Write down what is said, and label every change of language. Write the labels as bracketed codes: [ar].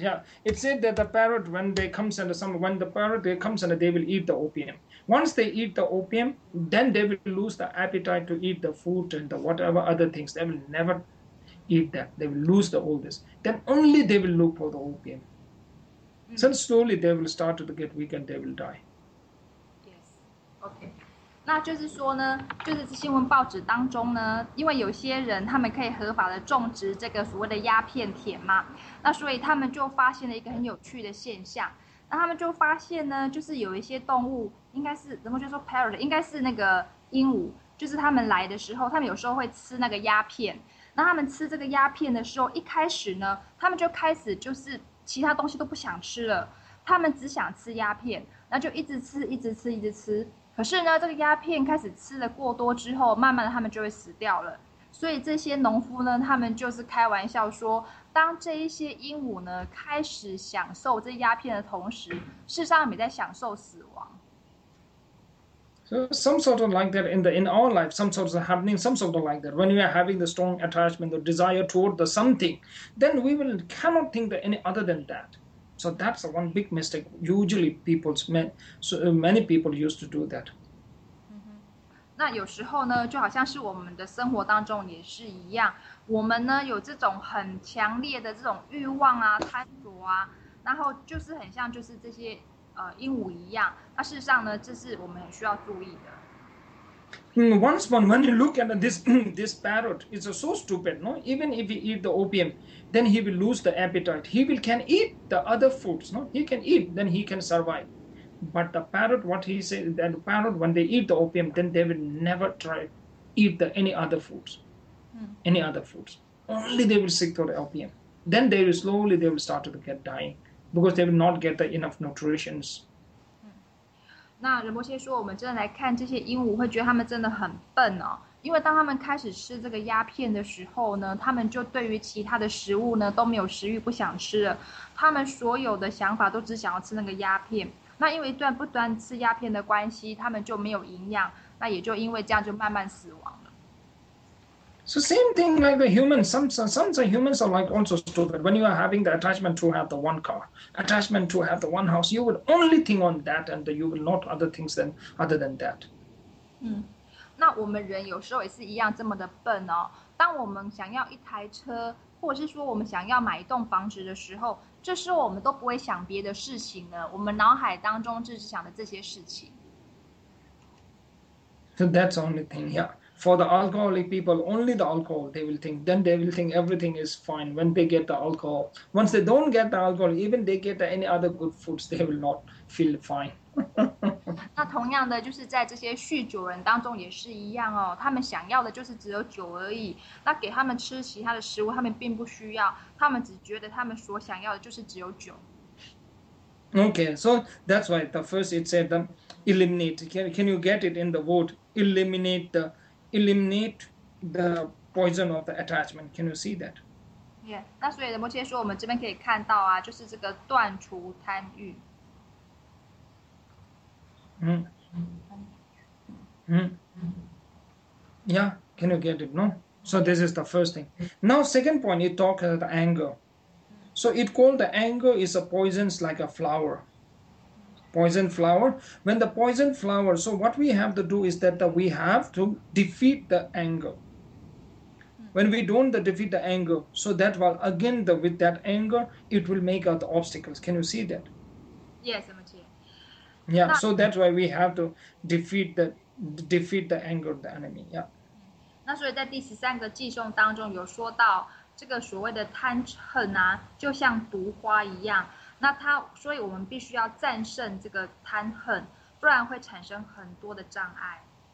[en] Yeah, it said that the parrot when they comes and some when the parrot they comes and they will eat the opium. Once they eat the opium, then they will lose the appetite to eat the food and the whatever other things. They will never. Eat that, they will lose the all this. Then only they will look for the opium. So slowly they will start to get weak and they will die. [zh] OK，那就是说呢，就是新闻报纸当中呢，因为有些人他们可以合法的种植这个所谓的鸦片田嘛，那所以他们就发现了一个很有趣的现象。那他们就发现呢，就是有一些动物，应该是怎么就说 parrot，应该是那个鹦鹉，就是他们来的时候，他们有时候会吃那个鸦片。那他们吃这个鸦片的时候，一开始呢，他们就开始就是其他东西都不想吃了，他们只想吃鸦片，那就一直吃，一直吃，一直吃。可是呢，这个鸦片开始吃的过多之后，慢慢的他们就会死掉了。所以这些农夫呢，他们就是开玩笑说，当这一些鹦鹉呢开始享受这鸦片的同时，事实上也在享受死亡。 [en] So some sort of like that in our life, some sort of happening, some sort of like that. When we are having the strong attachment, the desire toward the something, then we will cannot think that any other than that. So that's the one big mistake. Usually people's men, so many people used to do that. [zh] 那有时候呢，就好像是我们的生活当中也是一样，我们呢有这种很强烈的这种欲望啊、贪着啊，然后就是很像就是这些鹦鹉一样。那事实上呢，这是我们很需要注意的。 [en] Once one, when you look at this parrot, it's so stupid, no? Even if he eat the opium, then he will lose the appetite. He will can eat the other foods, no? He can eat, then he can survive. But the parrot, what he said, that the parrot, when they eat the opium, then they will never try eat the any other foods, any other foods. Only they will seek for the opium. Then they will slowly they will start to get dying because they will not get the enough nutritions. [zh] 那仁波切说，我们真的来看这些鹦鹉，会觉得它们真的很笨哦。因为当它们开始吃这个鸦片的时候呢，它们就对于其他的食物呢都没有食欲，不想吃了。它们所有的想法都只想要吃那个鸦片。那因为不断吃鸦片的关系，它们就没有营养。那也就因为这样，就慢慢死亡。 [en] So same thing like the humans. Some humans are like also stupid. When you are having the attachment to have the one car, attachment to have the one house, you will only think on that, and you will not other things than other than that. [zh] 那我们人有时候也是一样这么的笨哦。当我们想要一台车，或者是说我们想要买一栋房子的时候，这时候我们都不会想别的事情了。我们脑海当中就是想的这些事情。 [en] So that's the only thing, yeah. For the alcoholic people, only the alcohol they will think. Then they will think everything is fine when they get the alcohol. Once they don't get the alcohol, even they get any other good foods, they will not feel fine. [zh] 那同样的，就是在这些酗酒人当中也是一样哦。他们想要的就是只有酒而已。那给他们吃其他的食物，他们并不需要。他们只觉得他们所想要的就是只有酒。 [en] Okay, so that's why the first it said the eliminate. Can you get it in the word eliminate the poison of the attachment? Can you see that? Yeah, [zh] 那所以摩羯说，我们这边可以看到啊，就是这个断除贪欲。 [en] Yeah, can you get it? No. So this is the first thing. Now, second point, you talk about the anger. So it called the anger is a poison like a flower. Poison flower. When the poison flower, so what we have to do is that the, we have to defeat the anger. When we don't the defeat the anger, so that while again the with that anger, it will make out the obstacles. Can you see that? Yes, Amitya. Yeah, so that's why we have to defeat the anger of the enemy. Yeah. [zh] 那所以在第十三个偈颂当中有说到。这个所谓的贪嗔啊，就像毒花一样。那它，所以我们必须要战胜这个贪嗔，不然会产生很多的障碍。